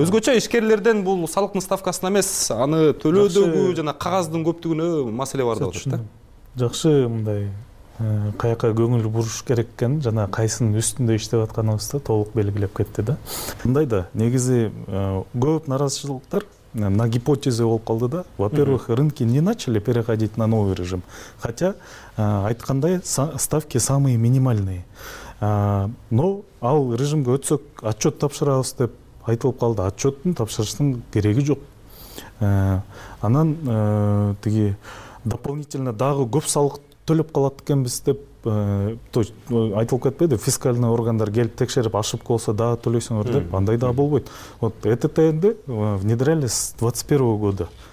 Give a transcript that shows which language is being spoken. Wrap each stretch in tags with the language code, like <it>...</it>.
<ky>Өзгөчө ишкерлерден бул салыктын ставкасына эмес, аны төлөөдөгү жана кагаздын көптүгүнө маселе бар деп атат да. Жакшы, мындай каяка көңүл буруш керек экен жана кайсынын үстүндө иштеп атканыбызды толук белгилеп кетти да. Мындай да, негизи көп нааразычылыктар</ky> <ru>на гипотезе</ru> <ky>болуп калды да.</ky> <ru>Во-первых, рынки не начали переходить на новый режим. Хотя,</ru> <ky>айткандай,</ky> <ru>ставки самые минимальные.</ru> <ky>Но ал режимге өтсөк отчет тапшырабыз деп айтылып калды. Отчеттин тапшырыштын кереги жок. Анан тиги дополнительно дагы көп салык төлөп калат экенбиз деп айтылып кетпеди, фискальный органдар келип текшерип ошибка болсо дагы төлөйсүңөр деп, андай дагы болбойт.</ky> <ru>Вот ЭТТ-нде внедряли с 21 года.</ru>